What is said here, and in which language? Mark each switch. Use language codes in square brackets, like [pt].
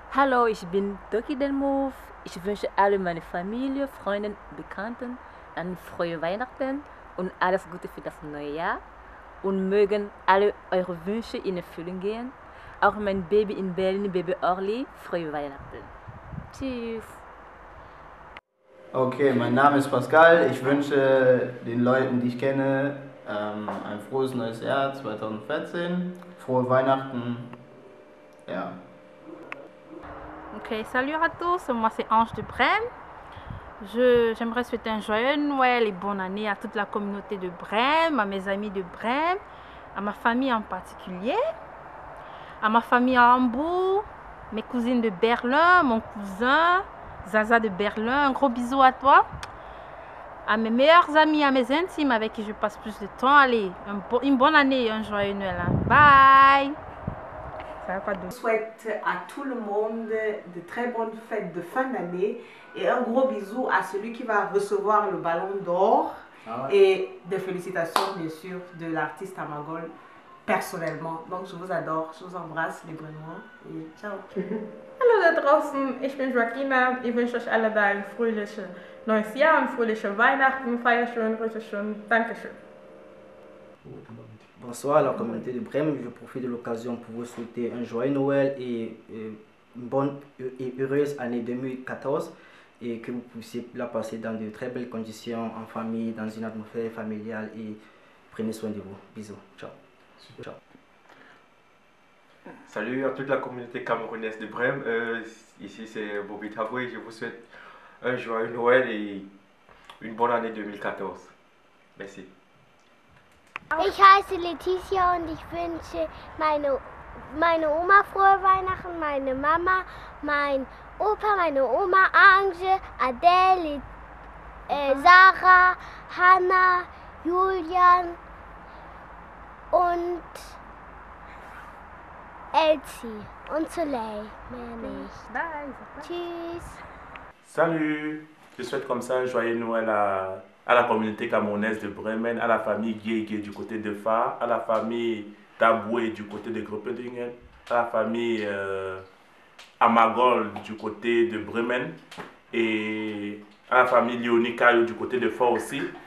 [de] Hallo, ich bin Doki Denmouf. Ich wünsche alle meine Familie, Freunde, Bekannten ein frohe Weihnachten und alles Gute für das neue Jahr. Und mögen alle eure Wünsche in Erfüllung gehen. Auch mein Baby in Berlin, Baby Orly, frohe Weihnachten. Tschüss. Okay, mein Name ist Pascal. Ich wünsche den Leuten, die ich kenne, ein frohes neues Jahr 2014. Frohe Weihnachten. Ja. [fr] Ok, salut à tous, moi c'est Ange de Brême. J'aimerais souhaiter un joyeux Noël et bonne année à toute la communauté de Brême, à mes amis de Brême, à ma famille en particulier, à ma famille à Hambourg, mes cousines de Berlin, mon cousin Zaza de Berlin, un gros bisou à toi, à mes meilleurs amis, à mes intimes avec qui je passe plus de temps. Allez, une bonne année et un joyeux Noël. Bye! Ça va pas de... Je souhaite à tout le monde de très bonnes fêtes de fin d'année et un gros bisou à celui qui va recevoir le ballon d'or. Ah ouais. Et des félicitations, bien sûr, de l'artiste Amagol personnellement. Donc, je vous adore, je vous embrasse, les Brunois, et ciao. [de] Hallo da draußen, ich bin Joaquina. Ich wünsche euch alle da ein fröhliches neues Jahr, ein fröhliches Weihnachten. Feier schön, richtig schön. Dankeschön. [fr] Bonsoir à la communauté de Brême. Je profite de l'occasion pour vous souhaiter un joyeux Noël et une bonne et heureuse année 2014 et que vous puissiez la passer dans de très belles conditions, en famille, dans une atmosphère familiale et prenez soin de vous. Bisous. Ciao. Ciao. Salut à toute la communauté camerounaise de Brême. Ici c'est Bobby Taboué. Je vous souhaite un joyeux Noël et une bonne année 2014. Merci. [de] Ich heiße Letizia und ich wünsche meine Oma frohe Weihnachten, meine Mama, mein Opa, meine Oma, Ange, Adele, Sarah, Hanna, Julian und Elsie und Soleil, meine ich. Tschüss. [fr] Salut, je souhaite comme ça un joyeux Noël à la communauté camerounaise de Bremen, à la famille Gueye du côté de Fa, à la famille Taboué du côté de Gruppedingen, à la famille Amagol du côté de Bremen, et à la famille Léonie Kayo du côté de Fa aussi.